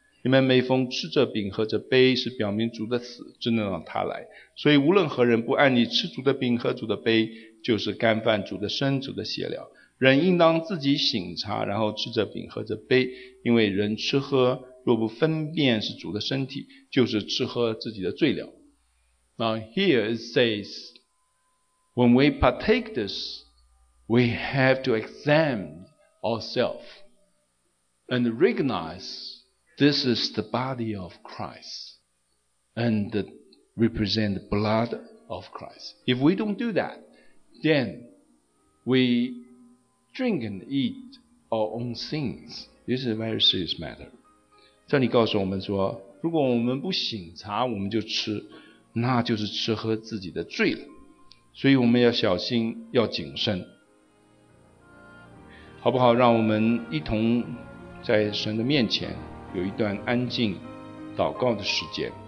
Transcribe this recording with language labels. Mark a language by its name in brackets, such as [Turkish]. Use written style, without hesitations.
[Chinese] 你们每逢吃这饼喝这杯，是表明主的死，真的让他来。所以无论何人不按你吃主的饼喝主的杯，就是干犯主的身主的血了。人应当自己省察，然后吃这饼喝这杯，因为人吃喝若不分辨是主的身体，就是吃喝自己的罪了。 [English] Now here it says,When we partake this, we have to examine ourselves and recognize this is the body of Christ and represent the blood of Christ. If we don't do that, then we drink and eat our own sins. This is a very serious matter. [Chinese] 这里告诉我们说，如果我们不省察，我们就吃，那就是吃喝自己的罪了。所以我们要小心，要谨慎，好不好？让我们一同在神的面前有一段安静祷告的时间。